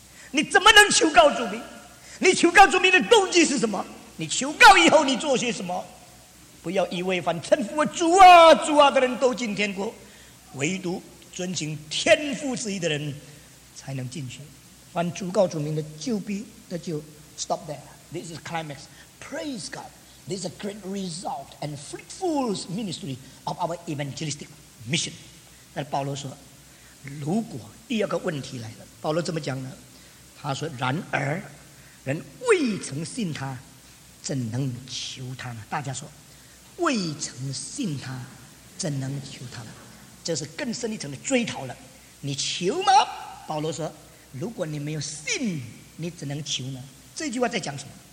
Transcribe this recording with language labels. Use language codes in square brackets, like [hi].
[zh] 你怎么能求告主名？你求告主名的动机是什么？你求告以后你做些什么？不要一味反称呼主啊主啊的人都进天国，唯独遵行天父旨意的人才能进去。凡主告主名的就必得救。 [en] Stop there. This is climax. Praise God. This is a great result and fruitful ministry of our evangelistic mission. [zh] 那保罗说，如果第二个问题来了，保罗怎么讲呢？他说，然而人未曾信他，怎能求他呢？大家说，未曾信他，怎能求他呢？这是更深一层的追讨了。你求吗？保罗说，如果你没有信，你怎能求呢？这句话在讲什么？